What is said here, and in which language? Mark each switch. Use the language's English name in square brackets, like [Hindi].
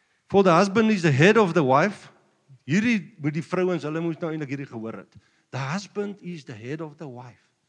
[English] For the husband is the head of the wife. [Afrikaans] Hierdie moet die vrouens, hulle moet nou eintlik hierdie gehoor het. [English] The husband is the head of the wife.